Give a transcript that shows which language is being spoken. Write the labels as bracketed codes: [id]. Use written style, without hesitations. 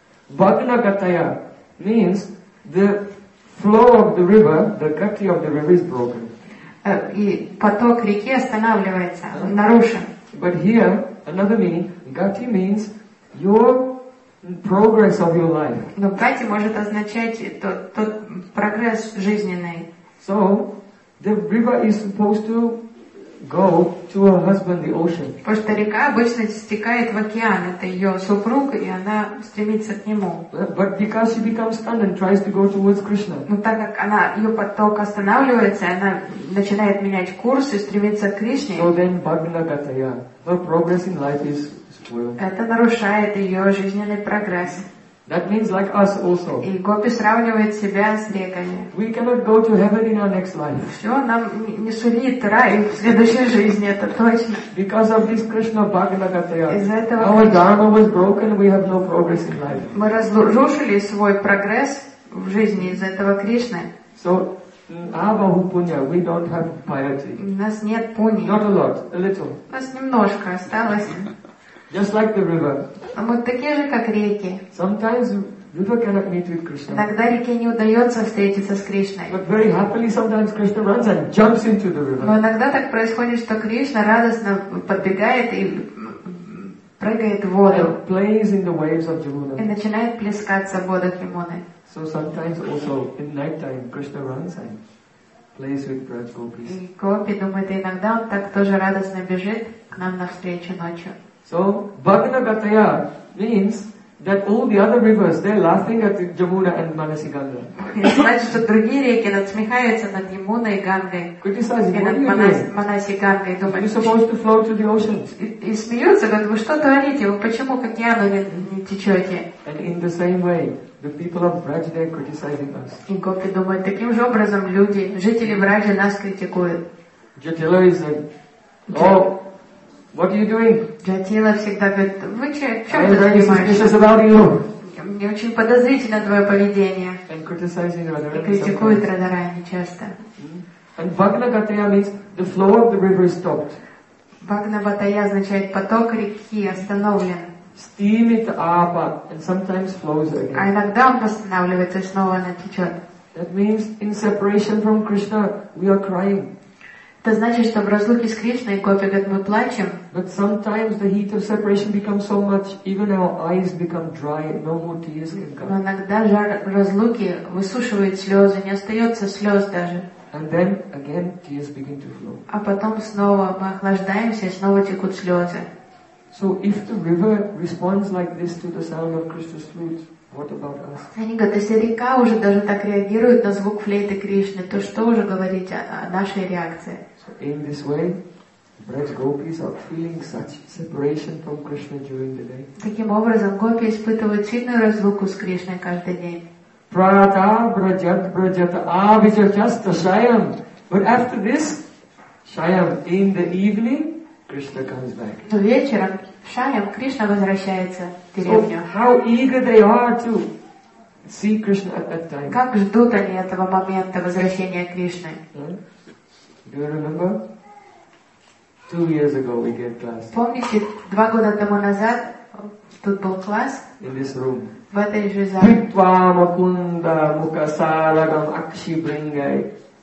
[en] Bhagna Gataya means the flow of the river, the gati of the river is broken. [ru] И поток реки останавливается, нарушен. [en] But here another meaning, gati means your progress of your life. [ru] Но gati может означать тот прогресс жизненный. [en] So the river is supposed to go to her husband, the ocean. [ru] Потому что река обычно стекает в океан, это ее супруг, и она стремится к нему. [en] But because she becomes stunned and tries to go towards Krishna. [ru] Но так как она ее поток останавливается, она начинает менять курс и стремится к Кришне. [en] So then bhagna gataya, her progress in life is spoiled. [ru] Это нарушает ее жизненный прогресс. [en] That means like us also. [ru] И гопи сравнивает себя с реками. [en] We cannot go to heaven in our next life. [ru] Все, нам не сулит рай в следующей жизни, это точно. [en] Because of this Krishna bhagna gataya. [ru] Из-за этого. [en] Our dharma was broken. We have no progress in life. [ru] Мы разрушили свой прогресс в жизни из-за этого Кришны. [en] So, abahu punya, we don't have piety. [ru] У нас нет пуни. [en] Not a lot, a little. [ru] У нас немножко осталось. [en] Just like the river. [ru] Мы такие же, как реки. [en] Sometimes river cannot meet with Krishna. [ru] Иногда реке не удается встретиться с Кришной. [en] But very happily sometimes Krishna runs and jumps into the river. [ru] Но иногда так происходит, что Кришна радостно подбегает и прыгает в воду. [en] And plays in the waves of Jamuna. [ru] И начинает плескаться в водах Ямуны. [en] So sometimes also in night time Krishna runs and plays with Braj Gopis. [ru] И гопи думает, иногда он так тоже радостно бежит к нам навстречу ночью. [en] So bhagna gataya means that all the other rivers they're laughing at Jamuna and Manasi Ganga. [ru] Значит, что другие реки надсмехаются над Ямуной и Гангой. [en] Criticizing [ru] над Манаси Гангой. [en] You're supposed to flow to the ocean. [ru] И смеются, говорят, вы что творите? Вы почему к океану не течете? [en] And in the same way, the people of Braj they're criticizing us. [ru] И гопи думают, таким же образом люди, жители Бражи нас критикуют. [en] Jatila is a oh. What are you doing? [ru] Джатила всегда говорит, вы че, чем ты занимаешься? Мне очень подозрительно твое поведение. И критикует Радарани часто. [en] And bhagna gataya means the flow of the river is stopped. [ru] Bhagna gataya означает поток реки остановлен. [en] Steam it up and sometimes flows again. [ru] А иногда он восстанавливается и снова она течет. [en] That means in separation from Krishna we are crying. [ru] Это значит, что в разлуке с Кришной гопи говорят, мы плачем. [en] But sometimes the heat of separation becomes so much, even our eyes become dry, no more tears can come. [ru] Но иногда жар разлуки высушивает слезы, не остается слез даже. [en] And then again tears begin to flow. [ru] А потом снова мы охлаждаемся, и снова текут слезы. [en] So if the river responds like this to the sound of Krishna's flute, what about us? [ru] Они говорят, если река уже даже так реагирует на звук флейты Кришны, то что уже говорить о нашей реакции? [en] So in this way, Braj gopis are feeling such separation from Krishna during the day. [ru] Таким образом, гопи испытывают сильную разлуку с Кришной каждый день. Прата брадят брадят, а ведь часто шаям. [en] But after this, шаям in the evening. Krishna comes back. [ru] Но вечером шаям Кришна возвращается в деревню. [en] So how eager they are to see Krishna at that time. [ru] Как ждут они этого момента возвращения Кришны? [en] Hmm? Do you remember? 2 years ago we get class. [ru] Помните, 2 года тому назад тут был класс? [en] In this room. [ru] В этой же зале. [sa] Питва макунда мукасалагам акшибрингай.